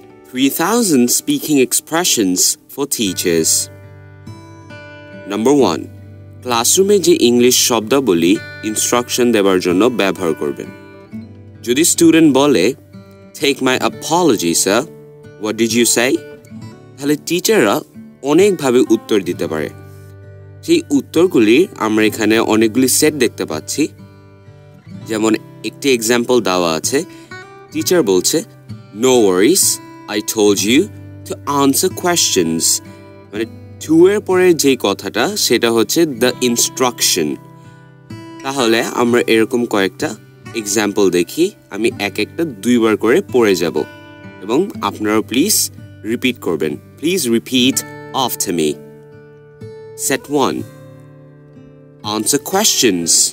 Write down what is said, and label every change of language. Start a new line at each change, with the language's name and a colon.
English: 3000 Speaking Expressions for Teachers. Number 1.
Bangla: Classroom যে English শব্দাবলী instruction দেওয়ার জন্য ব্যবহার করবেন. যদি
English: student বলে, Take my apology, sir. What did you say?
Bangla: তাহলে টিচাররা অনেকভাবে উত্তর দিতে পারে. সেই উত্তরগুলি আমরা এখানে অনেকগুলি সেট দেখতে পাচ্ছি. যেমন একটি এক্সাম্পল দেওয়া আছে. টিচার বলছে,
English: No worries, I told you to answer questions.
Bangla: মানে টু এর পরে যে কথাটা সেটা হচ্ছে দ্য ইনস্ট্রাকশন. তাহলে আমরা এরকম কয়েকটা এক্সাম্পল দেখি. আমি এক একটা দুইবার করে পড়ে যাব এবং আপনারা প্লিজ রিপিট করবেন.
English: Please repeat after me. Set 1. Answer questions.